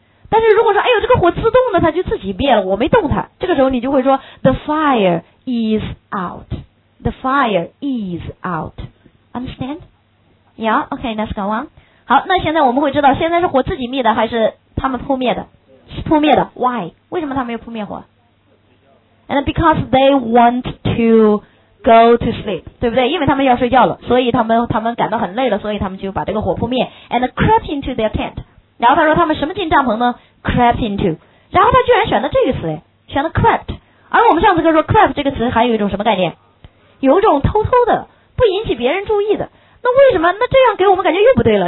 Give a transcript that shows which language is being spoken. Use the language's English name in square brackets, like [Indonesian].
[Chinese] 但是如果说，哎呦，这个火自动的它就自己灭了，我没动它，这个时候你就会说 [English] The fire is out。 The fire is out。 Understand? Yeah, okay, let's go on。 [Chinese] 好，那现在我们会知道现在是火自己灭的还是他们扑灭的。是扑灭的。 [English] Why? [Chinese] 为什么他们要扑灭火？ [English] And because they want to go to sleep, [Chinese] 对不对？因为他们要睡觉了，所以他们感到很累了，所以他们就把这个火扑灭。 [English] And crept into their tent. [Chinese] 然后他说他们什么进帐篷呢？ [English] Crept into. [Chinese] 然后他居然选了这个词，选了 crept. 而我们上次跟说 crept 这个词还有一种什么概念？有一种偷偷的，不引起别人注意的。那为什么？那这样给我们感觉又不对了。